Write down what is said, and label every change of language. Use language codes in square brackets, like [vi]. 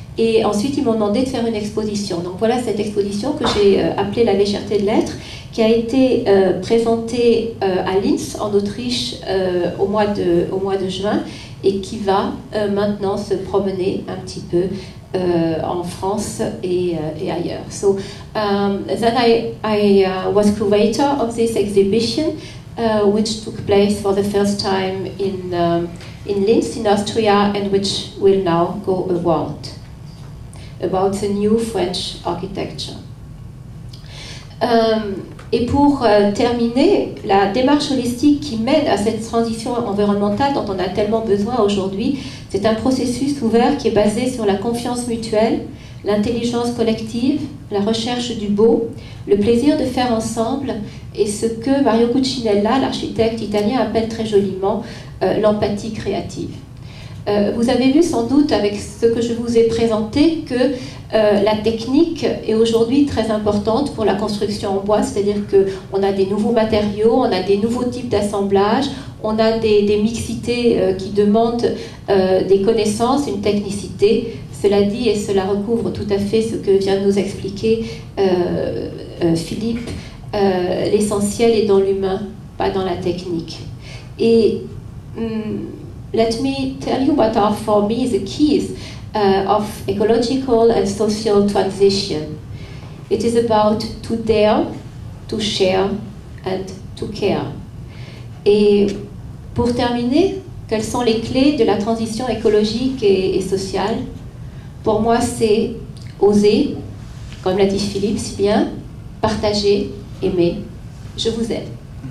[fr] Et ensuite, ils m'ont demandé de faire une exposition. Donc voilà cette exposition que j'ai appelée « La légèreté de l'être », qui a été présentée à Linz, en Autriche, au mois de juin, et qui va maintenant se promener un petit peu en France et ailleurs. [en] So, then I was curator of this exhibition, which took place for the first time in Linz in Austria, and which will now go abroad, about the new French architecture. [fr] Et pour terminer, la démarche holistique qui mène à cette transition environnementale dont on a tellement besoin aujourd'hui, c'est un processus ouvert qui est basé sur la confiance mutuelle, l'intelligence collective, la recherche du beau, le plaisir de faire ensemble, et ce que Mario Cucinella, l'architecte italien, appelle très joliment l'empathie créative. Vous avez vu sans doute avec ce que je vous ai présenté que la technique est aujourd'hui très importante pour la construction en bois, c'est-à-dire qu'on a des nouveaux matériaux, on a des nouveaux types d'assemblage, on a des mixités qui demandent des connaissances, une technicité. Cela dit, et cela recouvre tout à fait ce que vient de nous expliquer Philippe, l'essentiel est dans l'humain, pas dans la technique. Et [en] Let me tell you what are for me the keys of ecological and social transition. It is about to dare, to share and to care. [fr] Et pour terminer, quelles sont les clés de la transition écologique et sociale? Pour moi, c'est oser, comme l'a dit Philippe si bien, partager, aimer. Je vous aime.